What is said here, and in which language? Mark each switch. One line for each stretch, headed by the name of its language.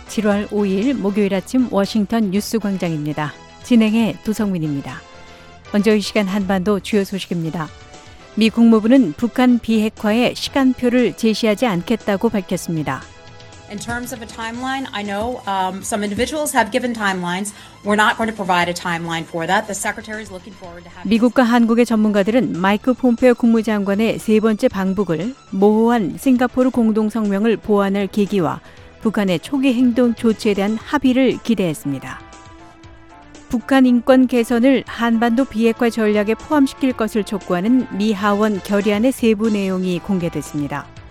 Korean: 7월 5일 목요일 아침 워싱턴 뉴스 광장입니다. 진행해 도성민입니다. 먼저 이 시간 한반도 주요 소식입니다. 미 국무부는 북한 비핵화의 시간표를 제시하지 않겠다고 밝혔습니다.
English: In terms of a timeline, I know some individuals have given timelines. We're not going to provide a timeline for that. The secretary is looking forward to having.
Korean: 미국과 한국의 전문가들은 마이크 폼페이오 국무장관의 세 번째 방북을 모호한 싱가포르 공동 성명을 보완할 계기와 북한의 초기 행동 조치에 대한 합의를 기대했습니다. 북한 인권 개선을 한반도 비핵화 전략에 포함시킬 것을 촉구하는 미 하원 결의안의 세부 내용이 공개됐습니다.